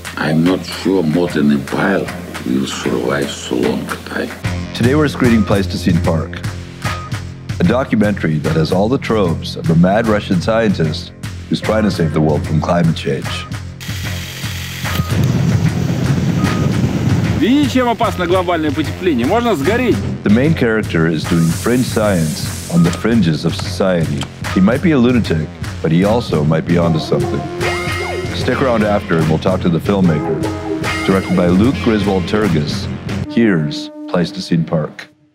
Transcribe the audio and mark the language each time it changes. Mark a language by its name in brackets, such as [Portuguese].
[English] I'm not sure modern empire will survive so long a time. Today we're screening Pleistocene Park, a documentary that has all the tropes of a mad Russian scientist who's trying to save the world from climate change. [Russian] Видите, чем опасно глобальное потепление? Можно сгореть. [English] The main character is doing fringe science on the fringes of society. He might be a lunatic, but he also might be onto something. Stick around after and we'll talk to the filmmaker. Directed by Luke Griswold Turgis, here's Pleistocene Park.